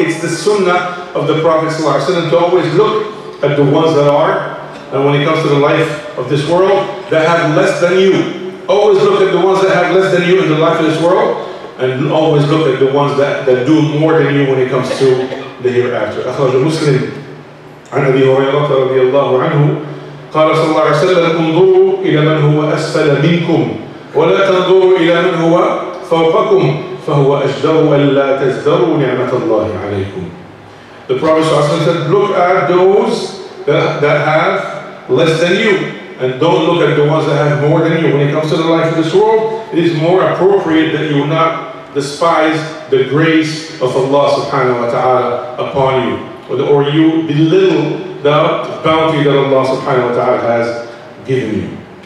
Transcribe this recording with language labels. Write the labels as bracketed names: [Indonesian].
[English] It's the sunnah of the Prophet sallallahu alaihi wasallam to always look at the ones that are, and when it comes to the life of this world, that have less than you. Always look at the ones that have less than you in the life of this world, and always look at the ones that do more than you when it comes to the hereafter. [Arabic] أخرج مسلم عن أبي هريرة رضي الله عنه قال صلى الله عليه وسلم انظروا إلى من هو أسفل منكم ولا تنظروا إلى من هو فوقكم فهو أجدر ألا تزدروا نعمة الله عليكم. [English] The Prophet said, look at those that have less than you, and don't look at the ones that have more than you. When it comes to the life of this world, it is more appropriate that you not despise the grace of Allah subhanahu wa ta'ala upon you, or you belittle the bounty that Allah subhanahu wa ta'ala has given you.